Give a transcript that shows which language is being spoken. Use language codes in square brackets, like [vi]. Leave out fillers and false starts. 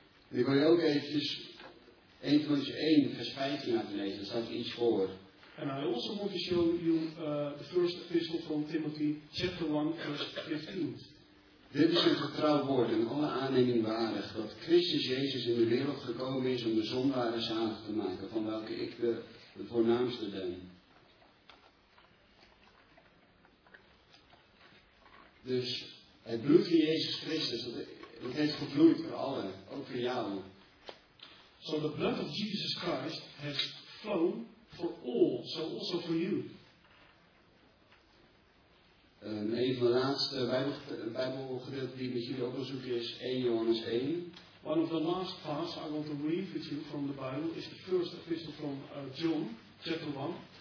[nl] Ik wil je ook eventjes 1 Timotheüs 1, vers 15 laten lezen, daar staat iets voor. [en] And I also want to show you the first epistle from Timothy, chapter 1, verse 15. [nl] Dit is een vertrouwd woord en alle aanneming waardig, dat Christus Jezus in de wereld gekomen is om de zondaren zalig te maken, van welke ik de voornaamste ben. Dus het bloed van Jezus Christus, dat heeft gevloeid voor allen, ook voor jou. [en] So the blood of Jesus Christ has flown for all, so also for you. [nl] Een van de laatste Bijbelgedeelten die met jullie ook wil zoeken is 1 Johannes 1. [en] One of the last parts I want to read with you from the Bible is the first epistle from John, chapter 1.